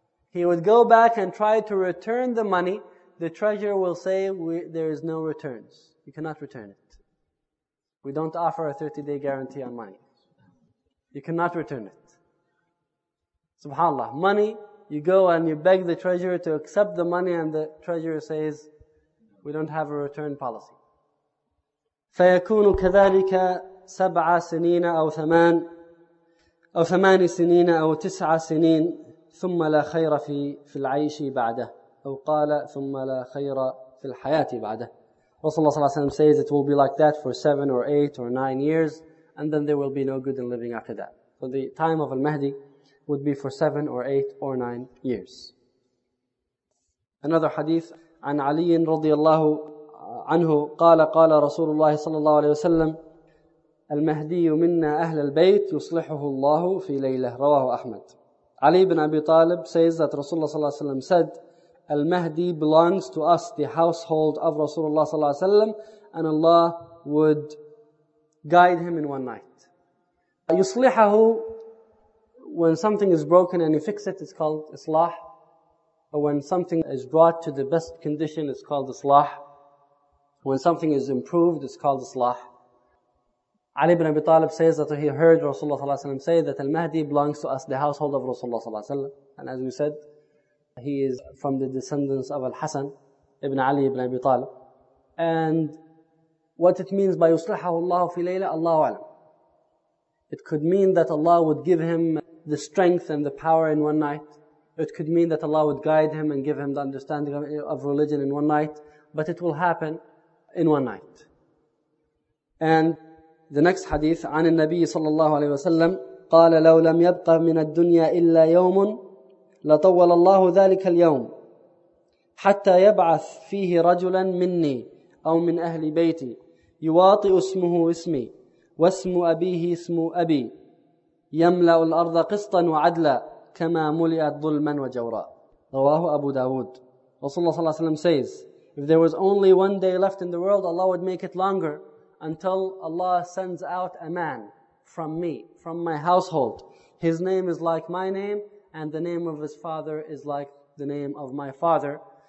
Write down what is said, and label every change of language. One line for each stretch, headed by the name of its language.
English: He would go back and try to return the money. The treasurer will say, there is no returns. You cannot return it. We don't offer a 30-day guarantee on money. You cannot return it. SubhanAllah. Money, you go and you beg the treasurer to accept the money and the treasurer says, we don't have a return policy.
Arabic: فَيَكُونُ كَذَلِكَ سَبْعَ سِنِينَ أَوْ ثَمَانِ أو ثمان سنين أو تسع سنين ثم لا خير في العيش بعده أو قال ثم لا خير في الحياة بعده.
English: Rasulullah
Arabic: صلى الله عليه وسلم
English: says it will be like that for 7 or 8 or 9 years and then there will be no good in living after that. So the time of Al-Mahdi would be for 7 or 8 or 9 years. Another hadith
Arabic: عن علي رضي الله عنه قال قال رسول الله صلى الله عليه وسلم المهدي منا أهل البيت يصلحه الله في ليلة رواه أحمد.
English: علي بن أبي طالب says that Rasulullah
Arabic: صلى الله عليه وسلم
English: said المهدي belongs to us, the household of Rasulullah صلى الله عليه وسلم, and Allah would guide him in one night. يصلحه, when something is broken and you fix it, it's called إصلاح. Or when something is brought to the best condition, it's called إصلاح. When something is improved, it's called إصلاح. Ali ibn Abi Talib says that he heard Rasulullah ﷺ say that Al-Mahdi belongs to us, the household of Rasulullah ﷺ. And as we said, he is from the descendants of Al-Hasan ibn Ali ibn Abi Talib. And what it means by
Arabic: يُصْلِحَهُ اللَّهُ فِي لَيْلَةٍ,
English: Allahu alam. It could mean that Allah would give him the strength and the power in one night. It could mean that Allah would guide him and give him the understanding of religion in one night. But it will happen in one night. And the next hadith,
Arabic: عن النبي صلى الله عليه وسلم قال لو لم يبق من الدنيا إلا يوم لطول الله ذلك اليوم حتى يبعث فيه رجلا مني أو من أهل بيتي يواطئ اسمه اسمي واسم أبيه اسم أبي يملأ الأرض قسطا وعدلا كما ملئت ظلما وجورا رواه أبو داود. رسول الله صلى الله عليه وسلم
English: says, if there was only one day left in the world, Allah would make it longer until Allah sends out a man from me, from my household. His name is like my name, and the name of his father is like the name of my father.